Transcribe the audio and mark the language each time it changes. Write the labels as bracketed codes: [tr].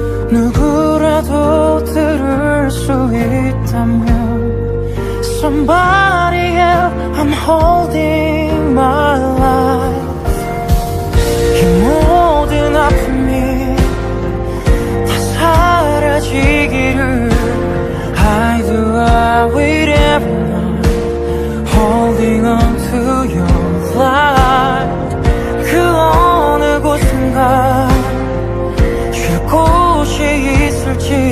[ko] 누구라도 들을 수 있다면. [en] Somebody help, I'm holding my life. [ko] 이 모든 아픔이 다 사라지기를. [en] I do, I wait every night, holding on to your light. [ko] 그 어느 곳인가 쉴 곳이 있을지